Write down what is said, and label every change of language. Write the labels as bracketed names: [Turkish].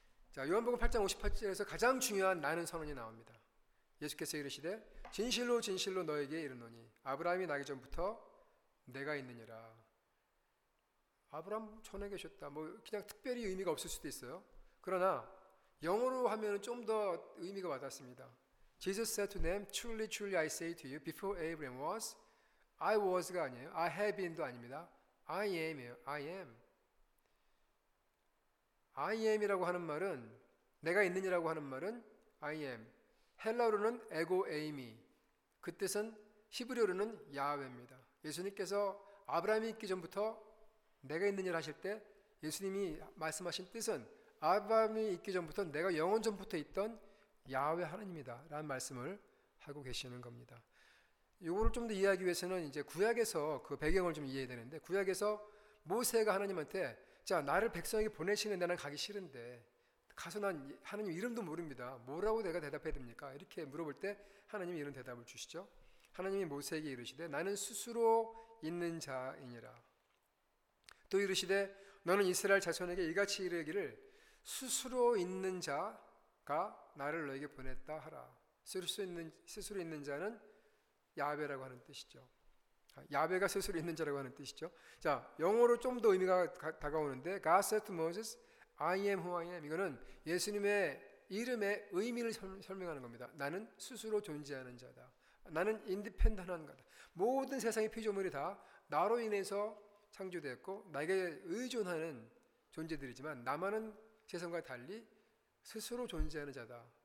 [Korean] 자, 요한복음 8장 58절에서 가장 중요한 나는 선언이 나옵니다. 예수께서 이르시되 진실로 진실로 너에게 이르노니 아브라함이 나기 전부터 내가 있느니라. 아브라함 전에 계셨다 뭐 그냥 특별히 의미가 없을 수도 있어요. 그러나 영어로 하면 좀 더 의미가 와닿습니다. [English] Jesus said to them, Truly, truly, I say to you, before Abraham was, I was가 [Korean] 아니에요. [English] I have been도 [Korean] 아닙니다. [English] I am이에요. I am. I am [Korean] 이라고 하는 말은, 내가 있느니라고 하는 말은 I am. 헬라어로는 에고 에이미. 그 뜻은 히브리어로는 야훼입니다. 예수님께서 아브라함이 있기 전부터 내가 있느니라 하실 때 예수님이 말씀하신 뜻은 아브라함이 있기 전부터 내가 영원 전부터 있던 야훼 하나님이다 라는 말씀을 하고 계시는 겁니다. 요거를 좀 더 이해하기 위해서는 이제 구약에서 그 배경을 좀 이해해야 되는데 구약에서 모세가 하나님한테 자 나를 백성에게 보내시는데 난 가기 싫은데 가서 난 하나님 이름도 모릅니다. 뭐라고 내가 대답해야 됩니까? 이렇게 물어볼 때 하나님이 이런 대답을 주시죠. 하나님이 모세에게 이르시되 나는 스스로 있는 자이니라. 또 이르시되 너는 이스라엘 자손에게 이같이 이르기를 스스로 있는 자가 나를 너에게 보냈다 하라. 스스로 있는 자는 야훼라고 하는 뜻이죠. 야훼가 스스로 있는 자라고 하는 뜻이죠. 자, 영어로 좀 더 의미가 다가오는데 [English] God said to Moses, I am who I am. [Korean] 이거는 예수님의 이름의 의미를 설명하는 겁니다. 나는 스스로 존재하는 자다. 나는 인디펜던트한 것. 모든 세상의 피조물이 다 나로 인해서 창조되었고 나에게 의존하는 존재들이지만 나만은 세상과 달리 스스로 존재하는 자다.